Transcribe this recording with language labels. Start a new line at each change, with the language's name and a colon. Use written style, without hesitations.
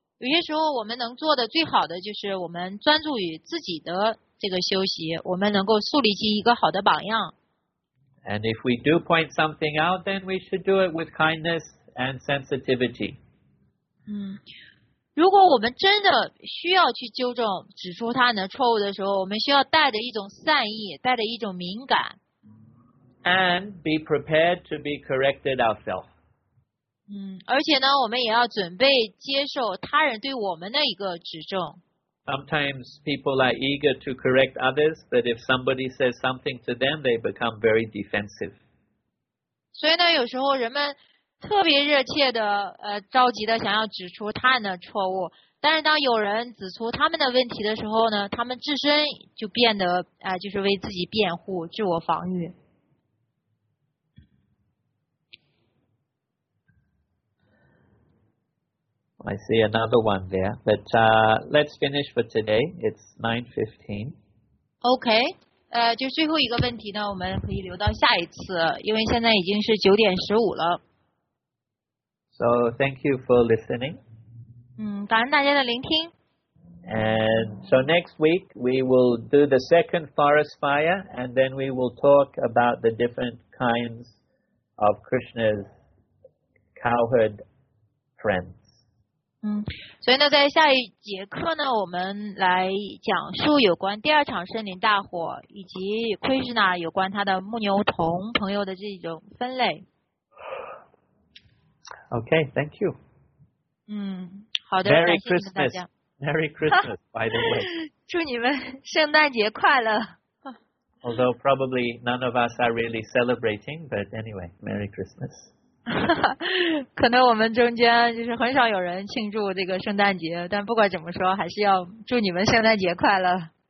Chinese: 有些时候，我们能做的最好的就是我们专注于自己的这个修习，我们能够树立起一个好的榜样。
English: And if we do point something out, then we should do it with kindness. And sensitivity.
Chinese: 如果我们真的需要去纠正、指出他人的错误的时候，我们需要带着一种善意，带着一种敏感。
English: And be prepared to be corrected ourselves.
Chinese: 而且呢，我们也要准备接受他人对我们的一个指正。
English: Sometimes people are eager to correct others, but if somebody says something to them, they become very defensive.
Chinese: 所以呢，有时候人们特别热切的着急的想要指出他人的错误，但是当有人指出他们的问题的时候呢，他们自身就变得就是为自己辩护，自我防御。
English: I see another one there, but let's finish for today. It's 9:15. Okay.
Chinese: 就最后一个问题呢，我们可以留到下一次，因为现在已经是9:15了。
English: So thank you for listening.
Chinese: 感恩大家的聆听。
English: And so next week we will do the second forest fire, and then we will talk about the different kinds of Krishna's cowherd friends.
Chinese: 所以呢，在下一节课呢，我们来讲述有关第二场森林大火以及 Krishna 有关他的牧牛童朋友的这种分类。
English: Okay, thank you.
Chinese: 好的，
English: Merry Christmas. Merry Christmas, by the way.
Chinese: 祝你们圣诞节快乐。
English: Although probably none of us are really celebrating, but anyway, Merry Christmas.
Chinese: 可能我们中间就是很少有人庆祝这个圣诞节，但不管怎么说，还是要祝你们圣诞节快乐。